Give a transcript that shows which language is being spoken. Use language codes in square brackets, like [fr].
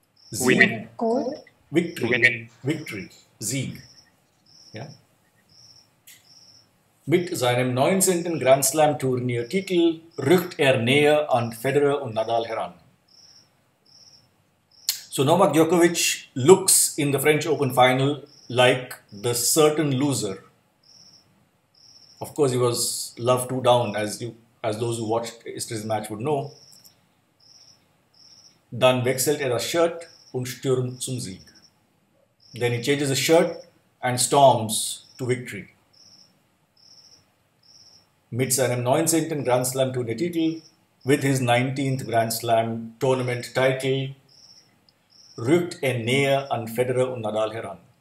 [de] Sieg. [en] Win. Victory. Win. Victory. [de] Sieg. Ja. Mit seinem 19. Grand Slam Turniertitel rückt er näher an Federer und Nadal heran. [en] So Novak Djokovic looks in the French Open final like the certain loser. Of course, he was love two down, as those who watched yesterday's match would know. [de] Dann wechselt er das Shirt und stürmt zum Sieg. [en] Then he changes his shirt and storms to victory. [de] Mit seinem 19. Grand Slam Turniertitel, [en] with his 19th Grand Slam Tournament title, [de] rückt er näher an Federer und Nadal heran.